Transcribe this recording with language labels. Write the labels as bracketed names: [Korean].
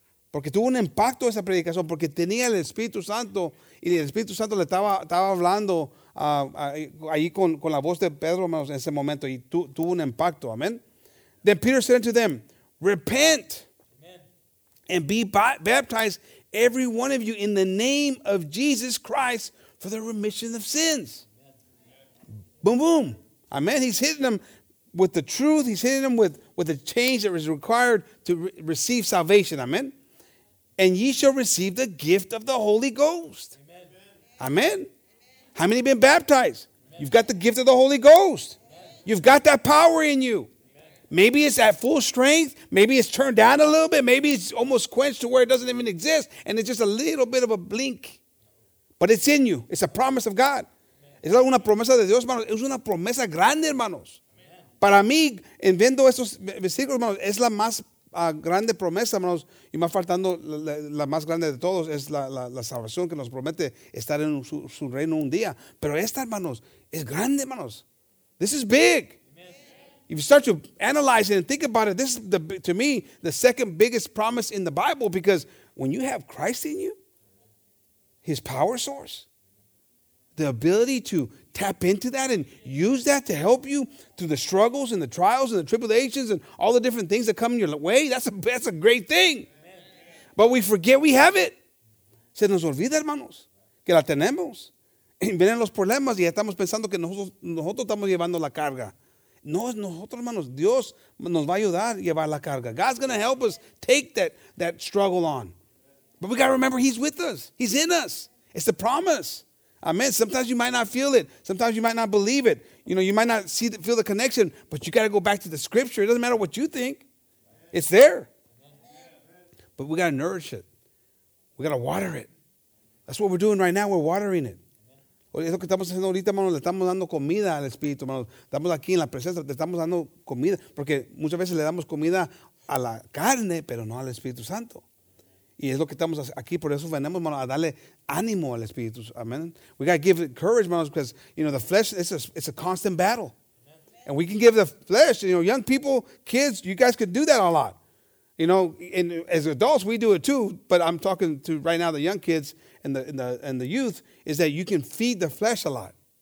[Spanish] Porque tuvo un impacto esa predicación, porque tenía el Espíritu Santo y el Espíritu Santo le estaba hablando ahí con la voz de Pedro en ese momento y tuvo un impacto. Amen. [English] Then Peter said to them, "Repent and be baptized, every one of you, in the name of Jesus Christ for the remission of sins." Boom, boom. Amen. He's hitting them with the truth. He's hitting them with the change that is required to receive salvation. Amen. "And ye shall receive the gift of the Holy Ghost." Amen. Amen. Amen. How many been baptized? Amen. You've got the gift of the Holy Ghost. Amen. You've got that power in you. Amen. Maybe it's at full strength. Maybe it's turned down a little bit. Maybe it's almost quenched to where it doesn't even exist. And it's just a little bit of a blink. But it's in you. It's a promise of God. [Spanish] Es una promesa de Dios, hermanos. Es una promesa grande, hermanos. Para mí, en viendo estos versículos, hermanos, es la más grande promesa, hermanos, y más faltando la más grande de todos, es la salvación que nos promete estar en su reino un día. Pero esta, hermanos, es grande, hermanos. [English] This is big. Amen. If you start to analyze it and think about it, this is, to me, the second biggest promise in the Bible, because when you have Christ in you, his power source, the ability to tap into that and use that to help you through the struggles and the trials and the tribulations and all the different things that come in your way, that's a great thing. Amen. But we forget we have it. [Spanish] Se nos olvida, hermanos, que la tenemos. Y vienen los problemas y estamos pensando que nosotros estamos llevando la carga. No, nosotros, hermanos, Dios nos va a ayudar a llevar la carga. [English] God's going to help us take that struggle on. But we got to remember he's with us. He's in us. It's the promise. Amen. Sometimes you might not feel it. Sometimes you might not believe it. You know, you might not feel the connection, but you got to go back to the scripture. It doesn't matter what you think. It's there. But we got to nourish it. We got to water it. That's what we're doing right now. We're watering it. [Spanish] Es lo que estamos haciendo ahorita, hermanos. Le estamos dando comida al Espíritu, hermanos. Estamos aquí en la presencia. Le estamos dando comida. Porque muchas veces le damos comida a la carne, pero no al Espíritu Santo. Y es lo que estamos aquí, por eso venimos, hermanos, a darle ánimo al Espíritu. Amen. [English] We got to give it courage, hermanos, because, you know, the flesh, it's a constant battle. Amen. And we can give the flesh, you know, young people, kids, you guys could do that a lot. You know, and as adults, we do it too, but I'm talking to right now the young kids and the youth, is that you can feed the flesh a lot.